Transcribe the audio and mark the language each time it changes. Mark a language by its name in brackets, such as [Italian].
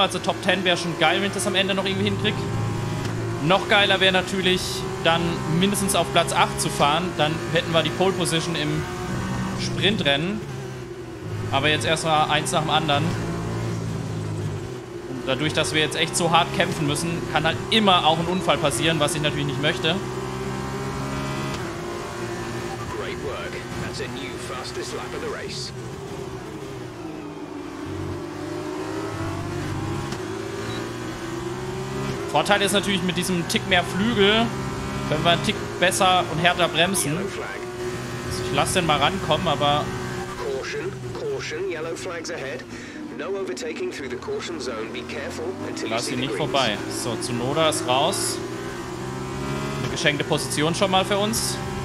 [German] Also Top 10 wäre schon geil, wenn ich das am Ende noch irgendwie hinkriege. Noch geiler wäre natürlich dann mindestens auf Platz 8 zu fahren. Dann hätten wir die Pole Position im Sprintrennen. Aber jetzt erstmal eins nach dem anderen. Dadurch, dass wir jetzt echt so hart kämpfen müssen, kann halt immer auch ein Unfall passieren, was ich natürlich nicht möchte. [English] Great work. That's a new fastest lap of the race. [German] Vorteil ist natürlich, mit diesem Tick mehr Flügel können wir einen Tick besser und härter bremsen. Also ich lasse den mal rankommen, aber... [English] Caution, caution, yellow flags ahead. No overtaking through the caution zone. Be careful until you see the green. [German] Vorbei. So, Tsunoda ist raus. Eine geschenkte Position schon mal für uns.